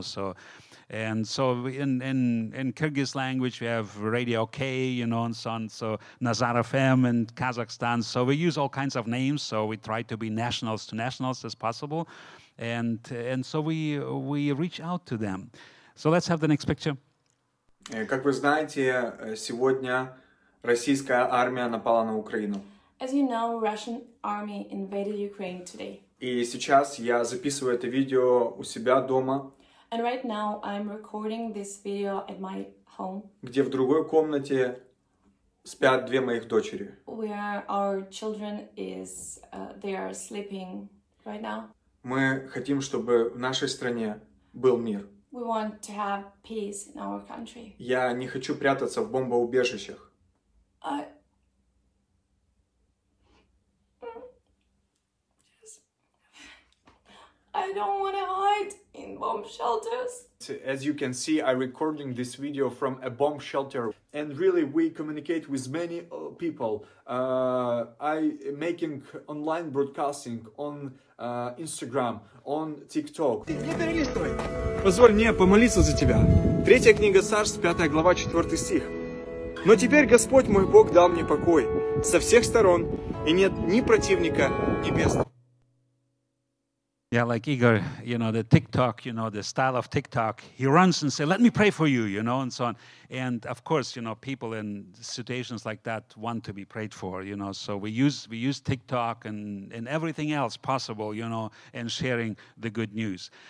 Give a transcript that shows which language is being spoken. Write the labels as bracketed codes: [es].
[en] So, and so in Kyrgyz language, we have Radio K, you know, and so on. So Nazar FM in Kazakhstan. So we use all kinds of names. So we try to be nationals to nationals as possible. And so we reach out to them. So let's have the next picture. [ru] Как вы знаете, сегодня российская армия напала на Украину. [en] As you know, Russian army invaded Ukraine today. [ru] И сейчас я записываю это видео у себя дома. [en] And right now I'm recording this video at my home. [ru] Где в другой комнате спят две моих дочери. [en] Where our children is, they are sleeping right now. [ru] Мы хотим, чтобы в нашей стране был мир. [en] We want to have peace in our country. [ru] Я не хочу прятаться в бомбоубежищах. [en] I don't want to hide in bomb shelters. As you can see, I'm recording this video from a bomb shelter. And really, we communicate with many people. I'm making online broadcasting on Instagram, on TikTok. [ru] Позволь мне помолиться за тебя. Третья книга Сарс, 5 глава, 4 стих. Но теперь Господь мой Бог дал мне покой со всех сторон, и нет ни противника, ни бездны. [en] Yeah, like Igor, you know, the TikTok, you know, the style of TikTok, he runs and says, let me pray for you, you know, and so on. And of course, you know, people in situations like that want to be prayed for, you know, so we use TikTok and everything else possible, you know, and sharing the good news.